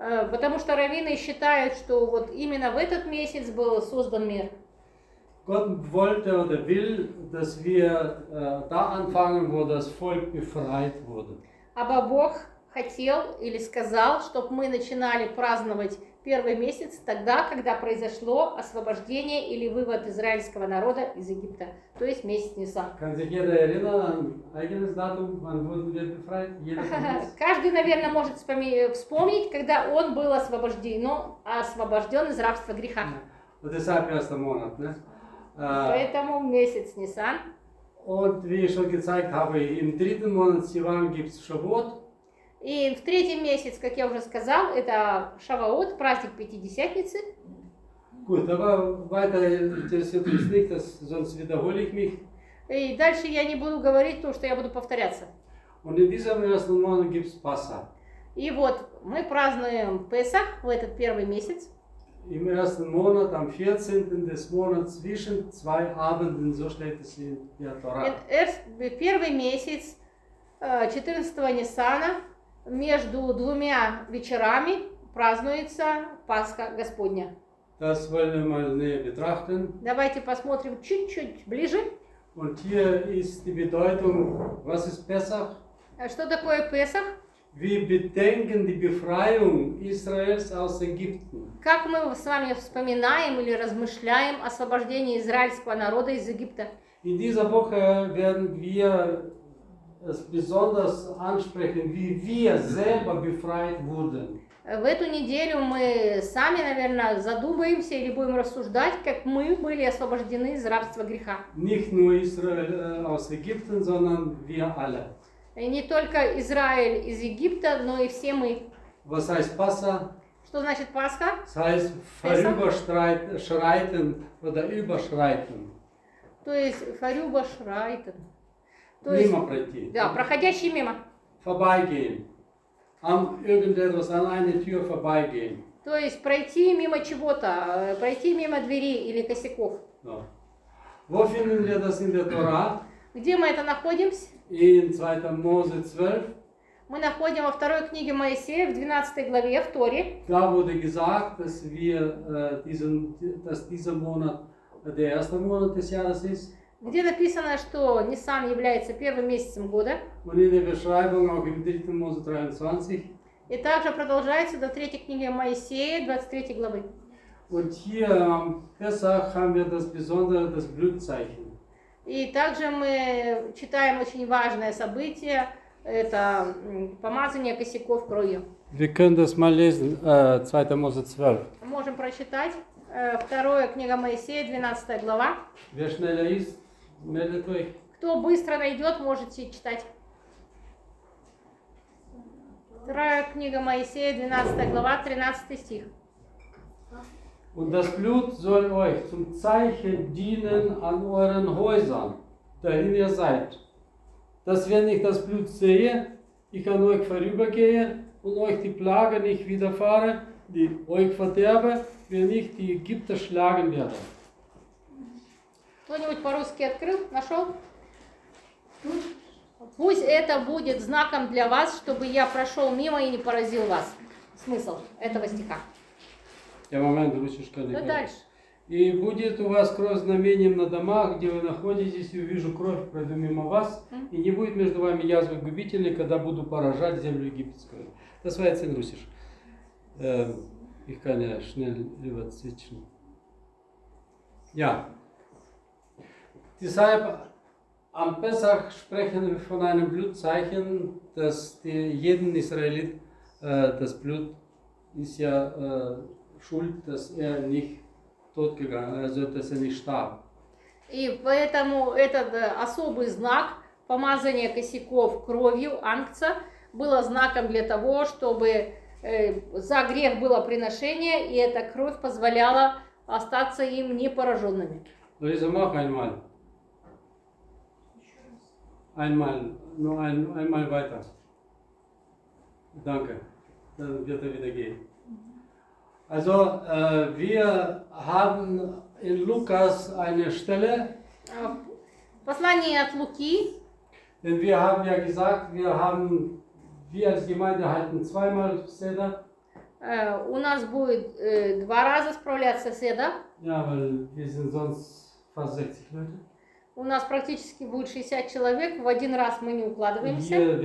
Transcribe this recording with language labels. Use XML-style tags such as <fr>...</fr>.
<ru>Потому что раввины считают, что вот именно в этот месяц был создан мир.</ru> <de>Gott wollte oder will, dass wir da anfangen, wo das Volk befreit wurde. Aber</de> <ru>Бог хотел или сказал, чтобы мы начинали праздновать первый месяц тогда, когда произошло освобождение или вывод израильского народа из Египта, то есть месяц Нисан.</ru> <de>Kann sich jeder erinnern an eigenes Datum, wann wurden wir befreit?</de> <ru>Каждый, наверное, может вспомнить, когда он был освобожден из рабства греха. Вот это первый месяц, да? Поэтому месяц Нисан.</ru> <de>Und wie schon gezeigt habe, im dritten Monat Sivan gibt's Shavuot.</de> <ru>И в третий месяц, как я уже сказал, это Шавуот, праздник Пятидесятницы.</ru> <de>Gut, aber weiter interessiert mich nicht, sonst wiederhole ich mich.</de> <ru>И дальше я не буду говорить то, что я буду повторяться.</ru> <de>Und in diesem ersten Monat gibt's Pasa.</de> <ru>И вот мы празднуем Песах в этот первый месяц.</ru> <de>Im ersten Monat, am 14. des Monats, zwischen zwei Abenden, so steht es in der Torah.</de> <ru>Первый месяц, 14 Нисана, между двумя вечерами празднуется Пасха Господня.</ru> <de>Das wollen wir mal näher betrachten.</de> <ru>Давайте посмотрим чуть-чуть ближе.</ru> <de>Und hier ist die Bedeutung, was ist Pesach?</de> <ru>Что такое Песах?</ru> <de>Wir bedenken die Befreiung Israels aus Ägypten.</de> <ru>Как мы с вами вспоминаем или размышляем о освобождении израильского народа из Египта?</ru> <de>In dieser Woche werden wir es besonders ansprechen, wie wir selber befreit wurden.</de> <ru>В эту неделю мы сами, наверное, задумаемся или будем рассуждать, как мы были освобождены из рабства греха.</ru> <de>Nicht nur Israel aus Ägypten, sondern wir alle.</de> <ru>не только Израиль из Египта, но и все мы.</ru> <de>Was heißt Pascha?</de> <ru>Что значит Пасха?</ru> <de>Das heißt vorüberschreiten oder überschreiten.</de> <ru>То есть</ru> <de>vorüberschreiten.</de> <ru>То есть мимо пройти. Да, проходящий мимо.</ru> <de>Vorbeigehen. Am irgendetwas an einer Tür vorbeigehen.</de> <ru>То есть пройти мимо чего-то, пройти мимо двери или косяков. Да.</ru> <de>Wo finden wir das in der Tora?</de> <ru>Где мы это находимся?</ru> <de>In 2. Mose 12.</de> <ru>Мы находим во второй книге Моисея, в 12 главе, в Торе.</ru> <de>Da wurde gesagt, dass wir diesen, dass dieser Monat der erste Monat des Jahres ist.</de> <ru>Где написано, что Нисан является первым месяцем года.</ru> <de>Und in der Beschreibung auch im 3. Mose 23.</de> <ru>И также продолжается до третьей книги Моисея, 23 главы.</ru> <de>Und hier am Pesach haben wir das Besondere, das Blutzeichen.</de> <ru>И также мы читаем очень важное событие, это помазание косяков кровью.</ru> <de>Wir können das mal lesen, 2. Mose 12.</de> <ru>Можем прочитать, вторая книга Моисея, 12 глава. Wer schneller ist, meldet euch. Кто быстро найдет, можете читать. Вторая книга Моисея, 12 глава, 13 стих.</ru> <de>Und das Blut soll euch zum Zeichen dienen an euren Häusern, dahin ihr seid. Dass wenn ich das Blut sehe, ich an euch vorübergehe und euch die Plage nicht widerfahre, die euch verderbe, wenn ich die Ägypter schlagen werde.</de> <ru>Кто-нибудь по-русски открыл, нашел? Пусть это будет знаком для вас, чтобы я прошел мимо и не поразил вас. Смысл этого стиха. Я момент лучше сказать. Да, дальше. И будет у вас кровь знамением на домах, где вы находитесь, и увижу кровь, пройду мимо вас, и не будет между вами язвы губительной, когда буду поражать землю египетскую. Это своя цель русиш. Их коня шнель левоцвечный. Я.</ru> <de>Deshalb am Pesach sprechen wir von einem Blutzeichen, dass die, jeden Israelit das Blut ist ja schuld, dass er nicht tot gegangen, also dass er nicht starb.</de> <ru>И поэтому этот особый знак помазания косяков кровью ангца было знаком для того, чтобы за грех было приношение, и эта кровь позволяла остаться им непораженными. Но и замах einmal.</ru> <de>Einmal, nur einmal weiter. Danke. Dann wird wieder gehen. Also, wir haben in Lukas eine Stelle.</de> <ru>Послание от Луки.</ru> <de>Denn wir haben ja gesagt, wir haben, wir als Gemeinde halten zweimal Seder.</de> <ru>У нас будет два раза справляться Седа.</ru> <de>Ja, weil wir sind sonst fast 60 Leute.</de> <ru>У нас практически будет 60 человек, в один раз мы не укладываемся.</ru>